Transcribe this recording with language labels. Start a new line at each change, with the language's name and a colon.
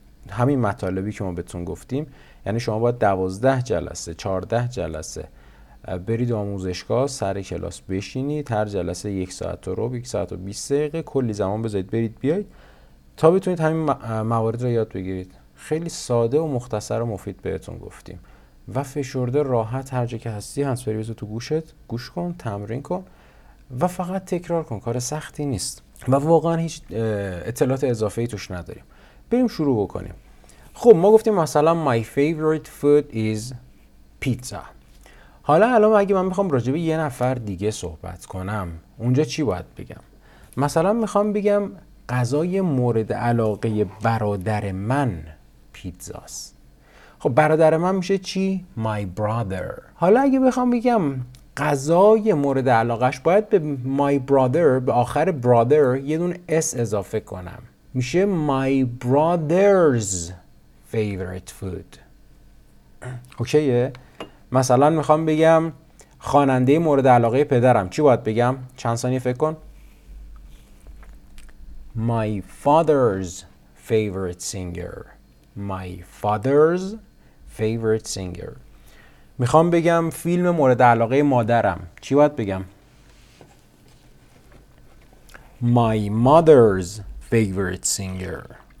Persian: همین مطالبی که ما بهتون گفتیم، یعنی شما باید 12 جلسه 14 جلسه برید آموزشگاه، سر کلاس بشینید، هر جلسه 1 ساعت و ربع، 1 ساعت و 20 دقیقه کلی زمان بذارید برید بیاید تا بتونید همین موارد رو یاد بگیرید. خیلی ساده و مختصر و مفید بهتون گفتیم و فشرده راحت هر جا که هستی هنسفری بذار تو گوشت، گوش کن، تمرین کن و فقط تکرار کن. کار سختی نیست و واقعا هیچ اطلاعات اضافه ای توش نداریم. بریم شروع بکنیم. خب ما گفتیم مثلا
English: my favorite food is pizza.
Persian: حالا الان اگه من میخوام راجع به یه نفر دیگه صحبت کنم اونجا چی باید بگم؟ مثلا میخوام بگم غذای مورد علاقه برادر من پیتزاست. خب برادر من میشه چی؟
English: my brother.
Persian: حالا اگه بخوام بگم غذای مورد علاقهش، باید به my brother، به آخر brother یه دونه s اضافه کنم، میشه
English: my brother's favorite food.
Persian: اوکیه؟ مثلا میخوام بگم خواننده مورد علاقه پدرم، چی باید بگم؟ چند ثانیه فکر کن.
English: My father's favorite singer. My father's favorite singer.
Persian: میخوام بگم فیلم مورد علاقه مادرم، چی باید بگم؟
English: My mother's favorite singer.